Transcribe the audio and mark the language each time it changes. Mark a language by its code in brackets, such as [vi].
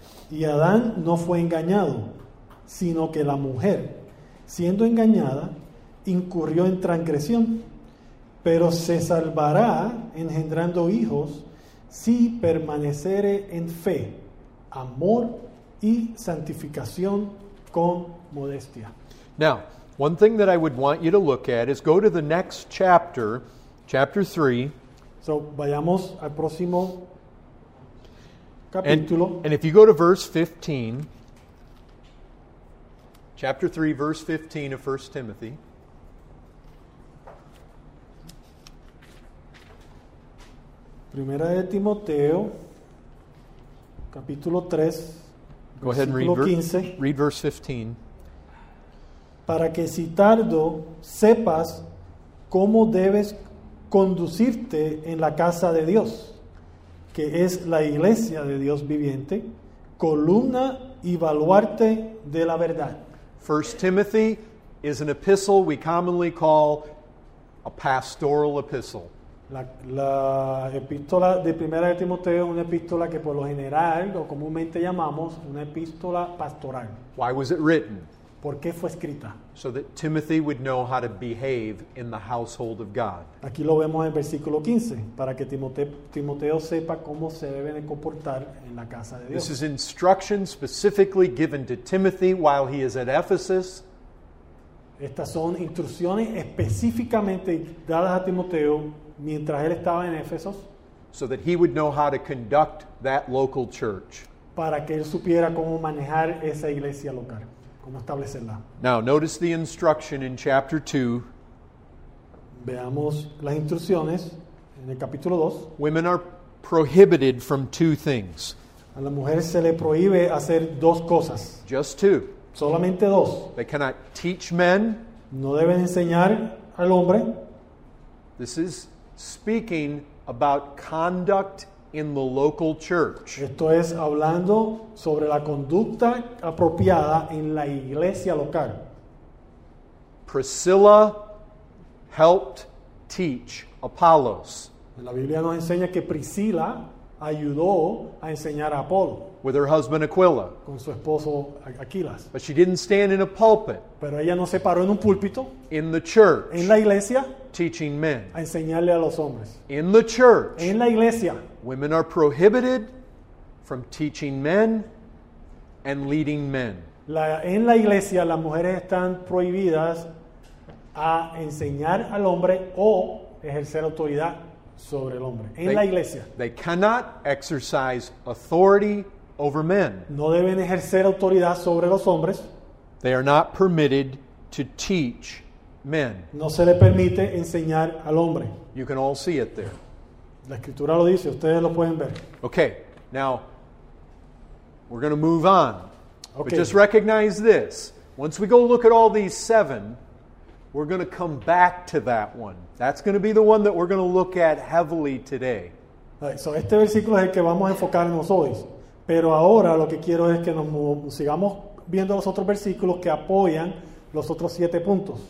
[es] Y Adán no fue engañado, sino que la mujer, siendo engañada, incurrió en transgresión. Pero se salvará engendrando hijos si permaneciere en fe, amor y santificación con modestia. [en] Now, one thing that I would want you to look at is go to the next chapter, chapter 3. [es] So, vayamos al próximo capítulo. [en] And if you go to verse 15, chapter 3, verse 15 of 1 Timothy. [es] Primera de Timoteo, capítulo 3, [en] go ahead and read verse 15. [es] Para que si tardo sepas cómo debes conducirte en la casa de Dios, que es la iglesia de Dios viviente, columna y baluarte de la verdad. [en] First Timothy is an epistle we commonly call a pastoral epistle. [es] La epístola de Primera de Timoteo es una epístola que por lo general o comúnmente llamamos una epístola pastoral. [en] Why was it written? [es] ¿Por qué fue escrita? [en] So that Timothy would know how to behave in the household of God. [es] Aquí lo vemos en versículo 15, para que Timoteo sepa cómo se debe de comportar en la casa de Dios. [en] This is instruction specifically given to Timothy while he is at Ephesus. [es] Estas son instrucciones específicamente dadas a Timoteo mientras él estaba en Éfeso. [en] So that he would know how to conduct that local church. [es] Para que él supiera cómo manejar esa iglesia local, cómo establecerla. [en] Now, notice the instruction in chapter 2. [es] Veamos las instrucciones en el capítulo 2. [en] Women are prohibited from two things. [es] A la mujer se le prohíbe hacer dos cosas. [en] Just two. [es] Solamente dos. [en] They cannot teach men. [es] No deben enseñar al hombre. [en] This is speaking about conduct in the local church. [es] Esto es hablando sobre la conducta apropiada en la iglesia local. [en] Priscilla helped teach Apollos. [es] La Biblia nos enseña que Priscilla ayudó a enseñar a Apolo. [en] With her husband Aquila. [es] Con su esposo Aquilas. [en] But she didn't stand in a pulpit. [es] Pero ella no se paró en un púlpito. [en] In the church. [es] En la iglesia. [en] Teaching men. [es] A enseñarle a los hombres. [en] In the church. [es] En la iglesia. [en] Women are prohibited from teaching men and leading men. [es] En la iglesia las mujeres están prohibidas a enseñar al hombre o ejercer autoridad sobre el hombre. En la iglesia. [en] They cannot exercise authority over men. [es] No deben ejercer autoridad sobre los hombres. [en] They are not permitted to teach men. [es] No se le permite enseñar al hombre. [en] You can all see it there. [es] La escritura lo dice, ustedes lo pueden ver. [en] Okay, now we're going to move on. Okay. But just recognize this. Once we go look at all these seven, we're going to come back to that one. That's going to be the one that we're going to look at heavily today. Right, so [es] este versículo es el que vamos a enfocarnos hoy. Pero ahora lo que quiero es que nos sigamos viendo los otros versículos que apoyan los otros siete puntos.